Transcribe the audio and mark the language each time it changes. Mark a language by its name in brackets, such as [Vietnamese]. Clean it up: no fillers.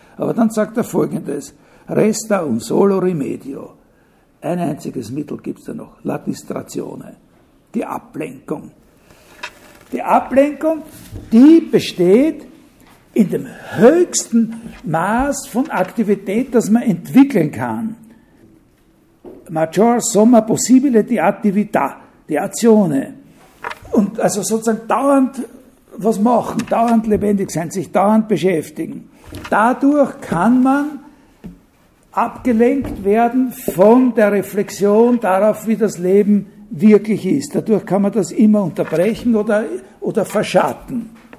[German] Aber dann sagt er Folgendes, [Italian] resta un solo remedio, [German] ein einziges Mittel gibt es da noch, [Italian] la distrazione, [German] die Ablenkung. Die Ablenkung, die besteht in dem höchsten Maß von Aktivität, das man entwickeln kann. [Italian] Maggior somma possibile di attività, die Azione. [German] Und also sozusagen dauernd was machen, dauernd lebendig sein, sich dauernd beschäftigen. Dadurch kann man abgelenkt werden von der Reflexion darauf, wie das Leben wirklich ist. Dadurch kann man das immer unterbrechen oder verschatten.